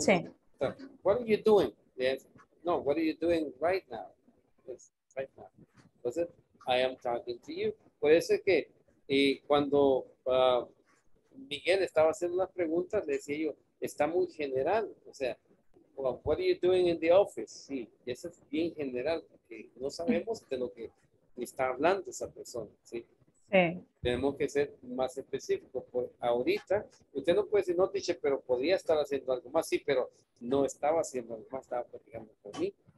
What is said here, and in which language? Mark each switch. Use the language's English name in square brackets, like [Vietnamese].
[Spanish] sí. [English] What are you doing? Yes. No, what are you doing right now? Yes, right now. [Spanish] Entonces, [English] I am talking to you. [Spanish] Por eso es que cuando Miguel estaba haciendo las preguntas, le decía yo, está muy general. O sea, [English] well, what are you doing in the office? [Spanish] Sí, eso es bien general, porque no sabemos de lo que está hablando esa persona. Sí. Tenemos que ser más específicos. Por ahorita, usted no puede decir, no, teacher, pero podría estar haciendo algo más. Sí, pero no estaba haciendo algo más, estaba platicando conmigo.